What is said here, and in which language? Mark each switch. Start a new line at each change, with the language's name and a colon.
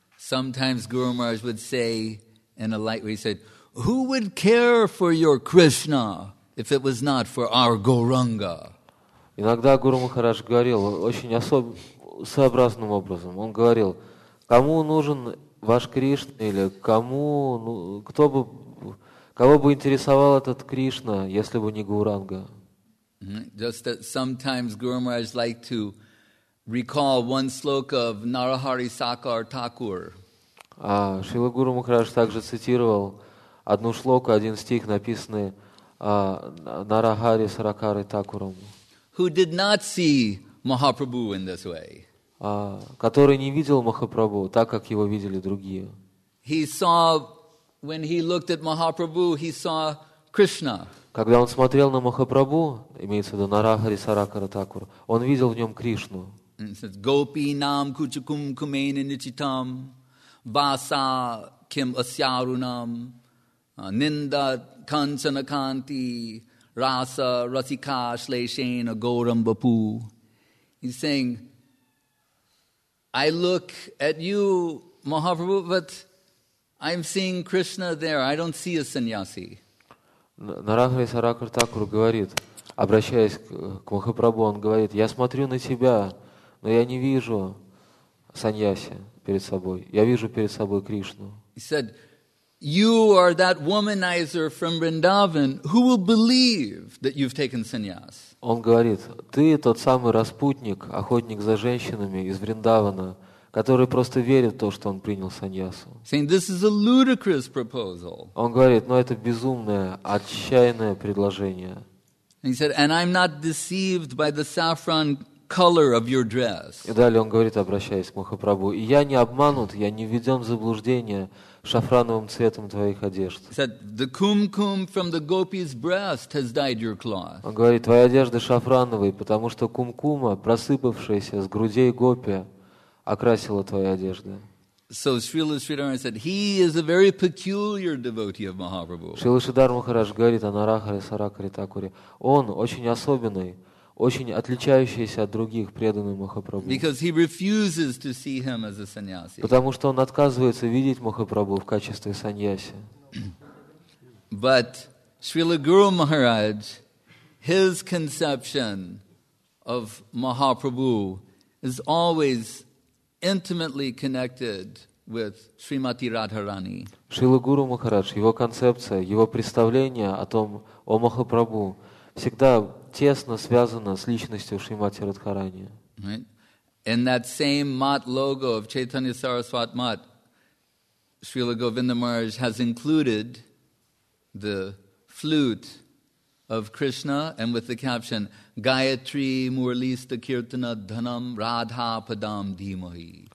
English: Sometimes Guru Maharaj would say in a light way, he said, who would care for your Krishna if it was not for our Gauranga?
Russian: Иногда Гуру Махарадж говорил очень своеобразным образом. Он говорил, кому нужен ваш Кришна, или кого бы интересовал этот Кришна, если бы не Гауранга?
English: Just that sometimes Guru Maharaj liked to recall one sloka of Narahari Sakar Thakur.
Russian: Шрила Гуру Махарадж также цитировал одну шлоку, один стих, написанный Нарахари Саракари Такуром.
English: Who did not see Mahaprabhu in this way?
Russian: Который не видел Махапрабху так, как его видели другие.
English: He saw, when he looked at Mahaprabhu, he saw Krishna.
Russian: Когда он смотрел на Махапрабху, имеется в виду Нарахари Саракара Такур, он видел в нем Кришну.
Sanskrit: And it says, Gopi nam kuchukum kumena nichitam, vasa kim asyarunam, ninda kanchana kanti, rasa rasika shleshena gauram bapu.
English: He's saying, I look at you, Mahaprabhu, but I'm seeing Krishna there. I don't see a sannyasi.
Russian: Нарахари Саракар Такур говорит, обращаясь к Махапрабху, он говорит, я смотрю на тебя, но я не вижу саньяси перед собой. Я вижу перед собой Кришну.
English: He said, you are that womanizer from Vrindavan, who will believe that you've taken sannyas?
Russian: Он говорит: ты тот самый распутник, охотник за женщинами из Вриндавана, который просто верит в то, что он принял саньясу.
English: Saying, this is a ludicrous proposal.
Russian: Он говорит: но это безумное, отчаянное предложение.
English: He said, and I'm not deceived by the saffron color of your dress.
Russian: И далее он говорит, обращаясь к Махапрабху: и я не обманут, я не введен в заблуждение шафрановым цветом твоих одежд.
English: He said, the kumkum from the gopi's breast has dyed your cloth.
Russian: Он говорит: твои одежды шафрановые, потому что кумкума, просыпавшаяся с грудей гопи, окрасила твои одежды.
English: So Srila Sridhara said, he is a very peculiar devotee of Mahaprabhu.
Russian: Srila Sridhara Maharaj говорит о Нарахаре Саракаре Такуре: он очень особенный, очень отличающийся от других преданных Махапрабху.
English: Because he refuses to see him as a sannyasi.
Russian: Потому что он отказывается видеть Махапрабху в качестве саньяси.
English: But Srila Guru Maharaj, his conception of Mahaprabhu is always intimately connected with Srimati Radharani.
Russian: Шрила Гуру Махарадж, его концепция, его представление о том, о Махапрабху, всегда тесно связано с личностью Шримати Радхарани.
English: Right. In that same Mat logo of Chaitanya Saraswat Mat, Srila Govinda Maharaj has included the flute of Krishna and with the caption
Sanskrit: Gayatri Murli Stakirtana Dhanam Radha Padam Dhimahi.